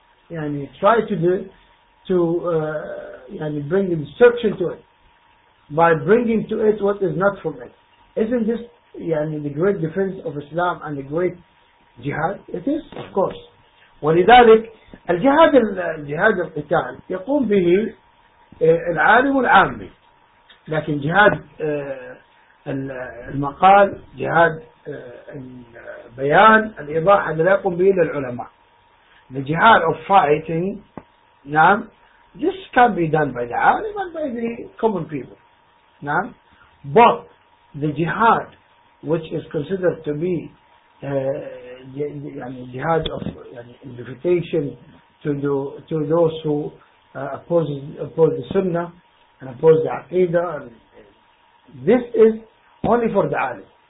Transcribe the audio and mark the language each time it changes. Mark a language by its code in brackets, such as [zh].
[en] يعني try to do to يعني bring destruction to it by bringing to it what is not from it. Isn't this يعني the great defense of Islam and the great jihad, it is of course. [ar] ولذلك الجهاد القتال يقوم به العالم العامي, لكن جهاد المقال, جهاد البيان, الإيضاح لا يقوم به العلماء. [en] The jihad of fighting, نعم, this can be done by the عالم and by the common people, نعم. But the jihad which is considered to be jihad of invitation to those who oppose the sunnah and oppose the aqidah, this is only for the alim.